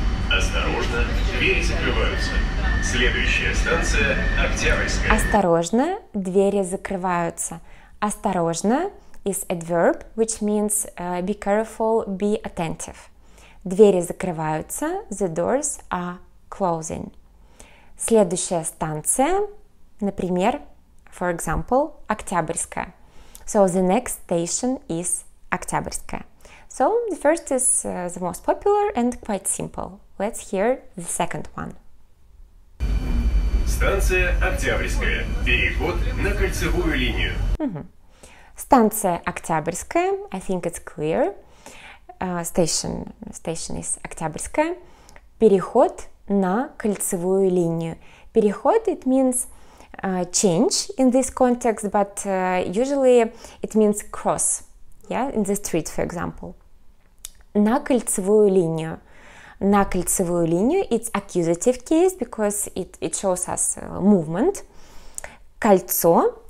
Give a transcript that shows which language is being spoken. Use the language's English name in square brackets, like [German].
[Russian] Осторожно, двери закрываются. Следующая станция Октябрьская. Осторожно, двери закрываются. Осторожно [English] is adverb, which means be careful, be attentive. [Russian] Двери закрываются, [English] the doors are closing. [Russian] Следующая станция, например, [English] for example, [Russian] Октябрьская. [English] So the next station is Октябрьская. So the first is the most popular and quite simple. Let's hear the second one. [Russian] Станция Октябрьская, переход на кольцевую линию. Станция Октябрьская, [English] I think it's clear. Station is Октябрьская. [Russian] Переход на кольцевую линию. Переход, [English] it means change in this context, but usually it means cross, in the street, for example. [Russian] На кольцевую линию. На кольцевую линию, [English] it's accusative case because it shows us movement. [Russian] Кольцо.